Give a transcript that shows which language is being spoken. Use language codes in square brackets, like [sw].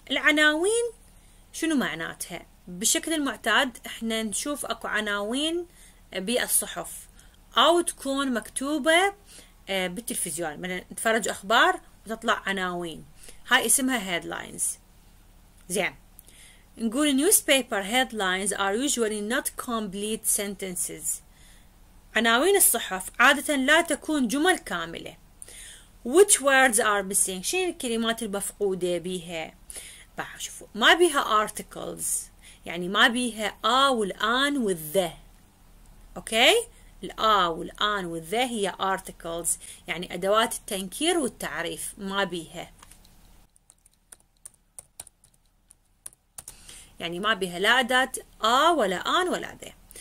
[ar] العناوين شنو معناتها؟ بشكل المعتاد احنا نشوف اكو عناوين بالصحف أو تكون مكتوبة بالتلفزيون، مثلا نتفرج أخبار وتطلع عناوين، هاي اسمها headlines. زين، نقول [en] newspaper headlines are usually not complete sentences. [ar] عناوين الصحف عادة لا تكون جمل كاملة. [en] Which words are missing؟ [ar] شنو الكلمات المفقودة بيها؟ بعد شوفوا، ما بيها articles، يعني ما بيها والآن والذه. أوكي؟ الآ والآن والذه هي articles، يعني أدوات التنكير والتعريف، ما بيها، يعني ما بيها لا أداة آ ولا آن ولا ذه.